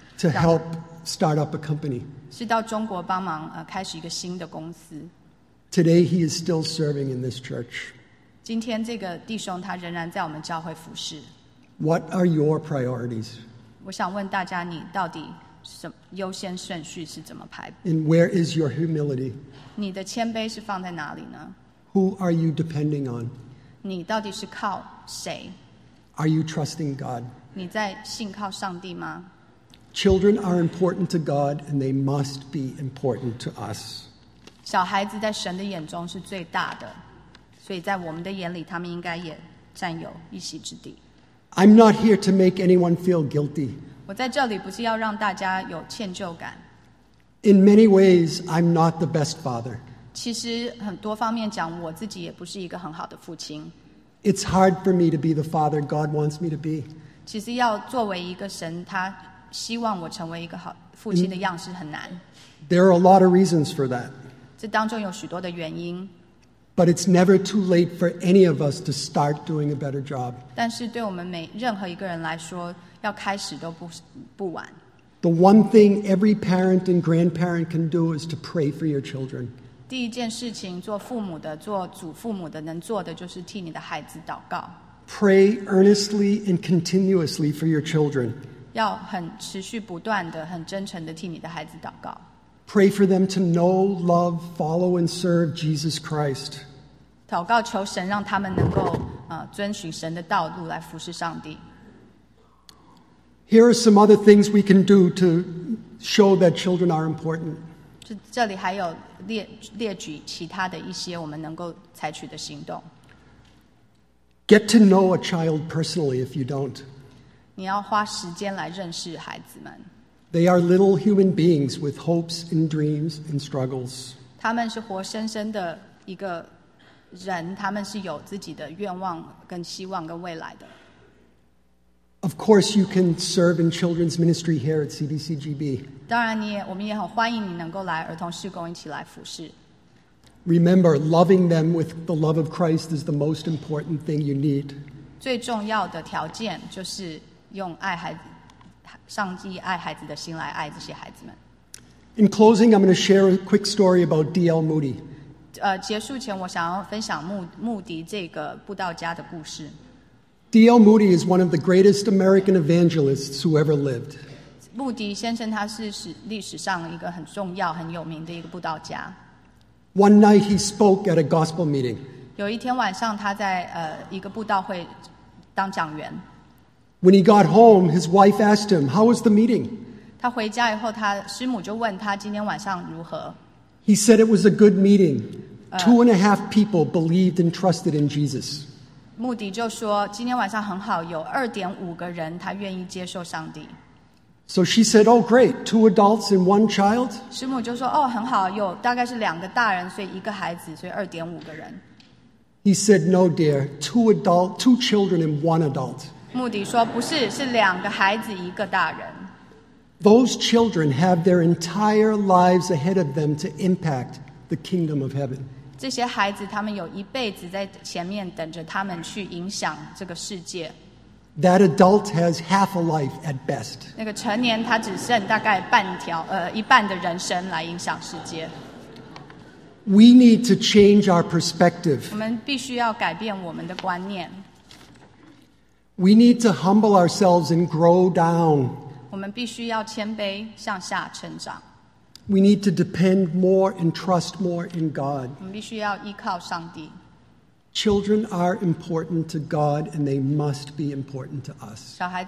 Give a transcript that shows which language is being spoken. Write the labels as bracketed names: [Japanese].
[English] To help start up a company. [Chinese] 是到中国帮忙开始一个新的公司。 [English] Today he is still serving in this church. [Chinese] 今天这个弟兄他仍然在我们教会服事。 [English] What are your priorities? [Chinese] 我想问大家，你到底什么优先顺序是怎么排？ [English] And where is your humility? [Chinese] 你的谦卑是放在哪里呢？ [English] Who are you depending on? [Chinese] 你到底是靠谁？ [English] Are you trusting God? [Chinese] 你在信靠上帝吗？ [English] Children are important to God and they must be important to us. [Chinese] 小孩子在神的眼中是最大的。所以在我们的眼里，他们应该也占有一席之地。 [English] I'm not here to make anyone feel guilty. [Chinese] 我在这里不是要让大家有歉疚感。 [English] In many ways, I'm not the best father. [Chinese] 其实很多方面讲，我自己也不是一个很好的父亲。 [English] It's hard for me to be the father God wants me to be. [Chinese] 其实要作为一个神，他希望我成为一个好父亲的样式很难。 [English] There are a lot of reasons for that. [Chinese] 这当中有许多的原因。 [English] But it's never too late for any of us to start doing a better job. [Chinese] 但是对我们每任何一个人来说，要开始都不晚。 [English] The one thing every parent and grandparent can do is to pray for your children. [Chinese] 第一件事情，做父母的，做祖父母的，能做的就是替你的孩子祷告。 [English] Pray earnestly and continuously for your children. [Chinese] 要很持续不断的，很真诚的替你的孩子祷告。 [English] Pray for them to know, love, follow, and serve Jesus Christ. [Chinese] 祷告求神让他们能够遵循神的道路来服侍上帝。 [English] Here are some other things we can do to show that children are important. [Chinese] 这里还有列举其他的一些我们能够采取的行动。 [English] Get to know a child personally if you don't. [Chinese] 你要花时间来认识孩子们。 [English] They are little human beings with hopes and dreams and struggles. [Chinese] 他们是活生生的一个人，他们是有自己的愿望跟希望跟未来的。 [English] Of course, you can serve in children's ministry here at CBCGB. [Chinese] 当然，我们也很欢迎你能够来儿童事工一起来服事。 [English] Remember, loving them with the love of Christ is the most important thing you need. [Chinese] 最重要的条件就是用爱孩子。上帝爱孩子的心来爱这些孩子们。 [English] In closing, I'm going to share a quick story about D.L. Moody. [Chinese] 结束前，我想要分享穆迪这个布道家的故事。 [English] D.L. Moody is one of the greatest American evangelists who ever lived. [Chinese] 穆迪先生他是历史上一个很重要、很有名的一个布道家。 [English] One night he spoke at a gospel meeting. [Chinese] 有一天晚上，他在一个布道会当讲员。 [English] When he got home, his wife asked him, "How was the meeting?" [Chinese] 他回家以后，他师母就问他今天晚上如何。 [English] He said it was a good meeting. Two and a half people believed and trusted in Jesus. [Chinese] 穆迪就说今天晚上很好，有二点五个人他愿意接受上帝。 [English] So she said, "Oh, great! Two adults and one child." [Chinese] 师母就说哦，很好，有大概是两个大人，所以一个孩子，所以二点五个人。 [English] He said, no, dear, two children and one adult. [Chinese] 穆迪说, 不是, 是两个孩子, 一个大人。 [English] Those children have their entire lives ahead of them to impact the kingdom of heaven. [Chinese] 这些孩子他们有一辈子在前面等着他们去影响这个世界。 [English] That adult has half a life at best. [Chinese] 那个成年他只剩大概半条，一半的人生来影响世界。 [English] We need to change our perspective. [Chinese] 我们必须要改变我们的观念。We [English] need to humble ourselves and grow down. [Chinese] 我们必须要谦卑，向下成长。We [English] need to depend more and trust more in God. [Chinese] 我们必须要依靠上帝。 [English] Children are important to God, and they must be important to us.